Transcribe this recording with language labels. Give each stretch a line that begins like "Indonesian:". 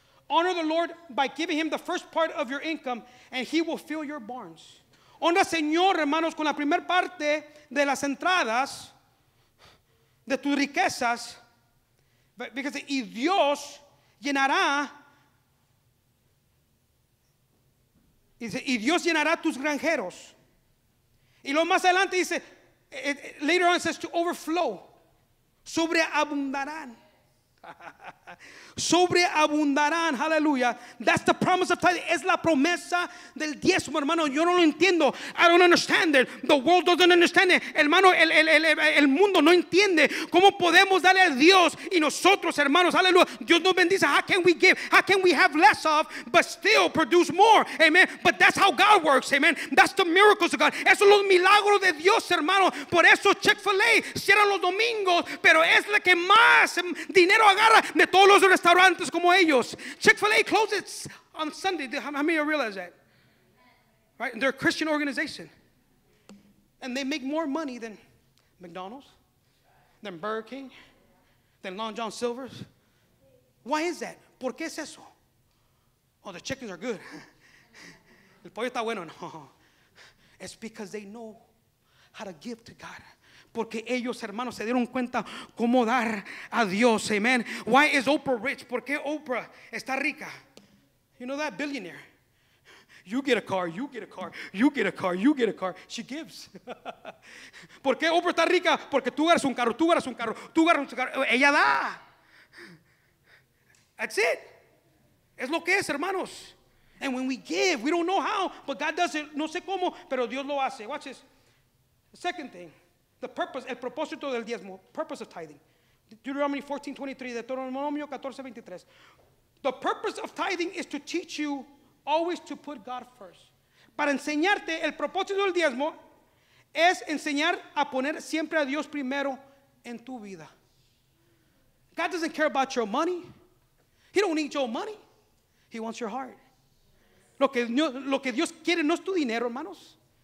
English: Honor the Lord by giving him the first part of your income, and he will fill your barns.
Spanish: Honra al Señor, hermanos, con la primera parte de las entradas de tus riquezas. Fíjense, y Dios llenará. Dice, y Dios llenará tus granjeros. Y luego más adelante dice,
English: later on says to overflow.
Spanish: Sobreabundarán. Sobreabundarán, hallelujah.
English: That's the promise of tithe.
Spanish: Es la promesa del diezmo, hermano. Yo no lo entiendo.
English: I don't understand it. The world doesn't understand it.
Spanish: Hermano, el mundo no entiende cómo podemos darle a Dios y nosotros, hermanos, hallelujah. Dios nos bendice.
English: How can we give? How can we have less of but still produce more? Amen. But that's how God works, amen. That's the miracles of God.
Spanish: Esos son los milagros de Dios, hermano. Por eso Chick-fil-A cierra los domingos, pero es la que más dinero agarra de todos los restaurantes como ellos.
English: Chick-fil-A closes on Sunday. How many of you realize that? Right? They're a Christian organization. And they make more money than McDonald's, than Burger King, than Long John Silver's. Why is that?
Spanish: ¿Por qué es eso?
English: Oh, the chickens are good.
Spanish: El pollo está bueno. No.
English: It's because they know how to give to God.
Spanish: Porque ellos, hermanos, se dieron cuenta cómo dar a Dios.
English: Amen. Why is Oprah rich?
Spanish: ¿Por qué Oprah está rica?
English: You know that billionaire. You get a car, you get a car, you get a car, you get a car. She gives.
Spanish: ¿Por qué Oprah está rica? Porque tú ganas un carro, tú ganas un carro, tú ganas un carro. Ella da.
English: That's it.
Spanish: Es lo que es, hermanos.
English: And when we give, we don't know how, but God does it.
Spanish: No sé cómo, pero Dios lo hace.
English: Watch this. The second thing. The purpose,
Spanish: el propósito del diezmo,
English: purpose of tithing. Deuteronomy 14:23, Deuteronomio 14:23. The purpose of tithing is to teach you always to put God first.
Spanish: Para enseñarte, el propósito del diezmo es enseñar a poner siempre a Dios primero en tu vida.
English: God doesn't care about your money. He don't need your money. He wants your heart.
Spanish: Lo que Dios quiere no es tu dinero, hermanos.